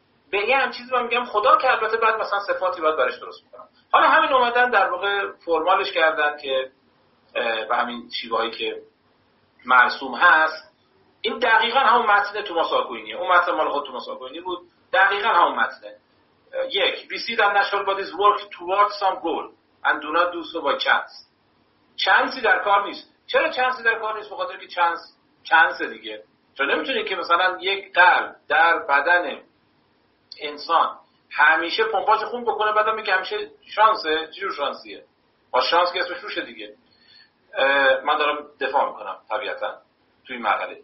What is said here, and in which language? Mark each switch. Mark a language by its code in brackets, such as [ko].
[fa] به یه هم چیزی من میگم خدا، که البته بعد مثلا صفاتی باید برش درست میکنم. حالا همین اومدن در واقع فرمالش کردن که به همین شیوهایی که مرسوم هست. این دقیقا همون متن توماس آکوینیه، اون متن مال خود توماس آکوینی بود، دقیقا همون متنه. یک، [en] we see that natural bodies work towards some goal and do not do so by chance. [fa] چانسی در کار نیست. چرا چانسی در کار نیست؟ بخاطر که چانس دیگه. چون نمیتونی که مثلا یک قلب در بدن انسان همیشه پمپاژ خون بکنه بعد هم بگه همیشه شانسه. چجور شانسیه؟ با شانس که اسمش روشه دیگه. من دارم دفاع میکنم طبیعتا توی مرحله.